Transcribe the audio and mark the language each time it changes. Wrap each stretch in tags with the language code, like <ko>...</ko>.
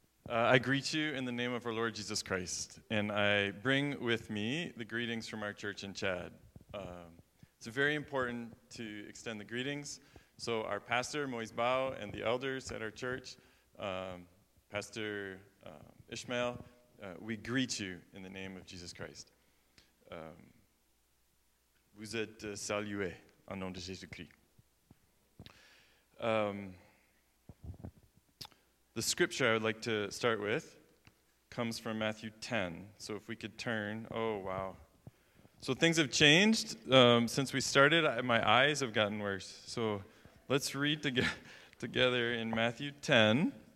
<en>I greet you in the name of our Lord Jesus Christ, and I bring with me the greetings from our church in Chad. It's very important to extend the greetings, so our pastor, Moise Bao, and the elders at our church, Pastor Ishmael, we greet you in the name of Jesus Christ.</en> <fr>Vous êtes salué en nom de Jésus-Christ.</fr> <en>The scripture I would like to start with comes from Matthew 10. So if we could turn. Oh, wow. So things have changed since we started. My eyes have gotten worse. So let's read together in Matthew 10.</en>